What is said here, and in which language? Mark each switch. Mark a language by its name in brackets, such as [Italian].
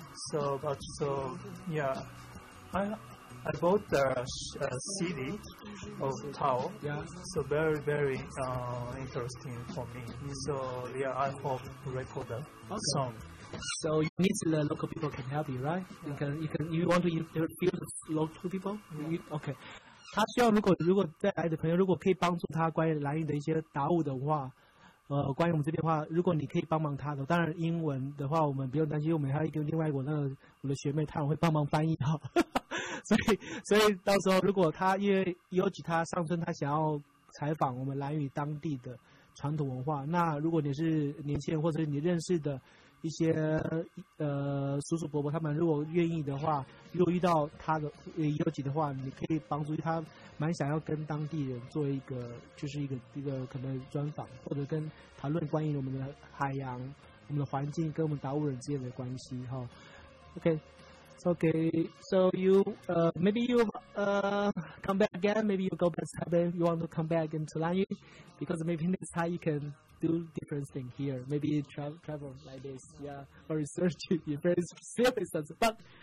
[English] So but so yeah, I bought the CD of Tao, yeah. So very, very interesting for me. So, yeah, I hope to record the song. So you need the local people can help you, right? Yeah. You want to interview the local people? Yeah. Okay. [Chinese] 他需要如果再来的朋友，如果可以帮助他关于蓝屿的一些答务的话，关于我们这边的话，如果你可以帮忙他的，当然英文的话我们不用担心，我们还有另外一个我的学妹，她会帮忙翻译哈。所以到时候如果他因为尤其他上村他想要采访我们蓝屿当地的传统文化，那如果你是年轻人或者你认识的一些叔叔伯伯他们如果愿意的话，如果遇到他的尤其的话，你可以帮助他，蛮想要跟当地人做一个就是一个可能专访或者跟讨论关于我们的海洋我们的环境跟我们达悟人之间的关系哈。 [English] OKOkay, so you, maybe you, come back again, maybe you go back to Taipei, you want to come back into Lanyu, because maybe next time you can do different thing here, maybe travel like this, yeah, or research in very serious sense, but